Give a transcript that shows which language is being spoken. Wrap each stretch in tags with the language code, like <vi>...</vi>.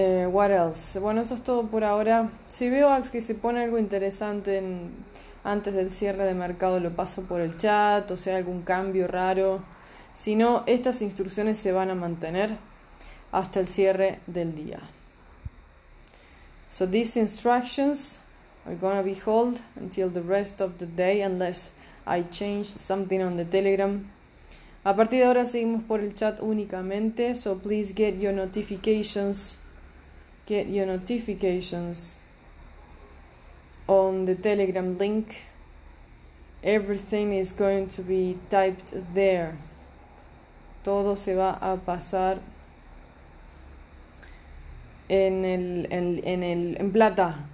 <en>What else?</en> <es>Bueno, eso es todo por ahora. Si veo que se pone algo interesante antes del cierre de mercado, lo paso por el chat, o sea, algún cambio raro. Si no, estas instrucciones se van a mantener hasta el cierre del día.</es> <en>So these instructions are going to be held until the rest of the day, unless I change something on the Telegram.</en> <es>A partir de ahora seguimos por el chat únicamente.</es> <en>So please get your notifications. Get your notifications on the Telegram link. Everything is going to be typed there.</en> <es>Todo se va a pasar en plata.</es>